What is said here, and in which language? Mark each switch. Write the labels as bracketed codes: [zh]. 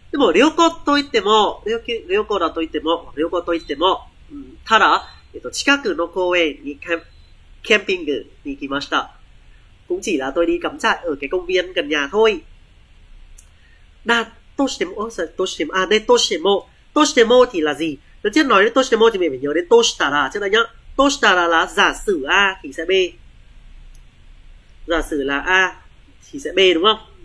[ja] でも、旅行といっても、旅行だといっても、旅行といっても、ただ、近くの公園にキャンピングに行きました。 [vi] cũng chỉ là tôi đi cắm trại ở cái công viên gần nhà thôi. [ja] だ、としても、としても、あ、で、としても [vi] thì là gì? Nếu chết nói đến としても thì mình phải nhớ đến としたら chứ đấy nhá. としたら là giả sử A thì sẽ B. Giả sử là A thì sẽ B đúng không?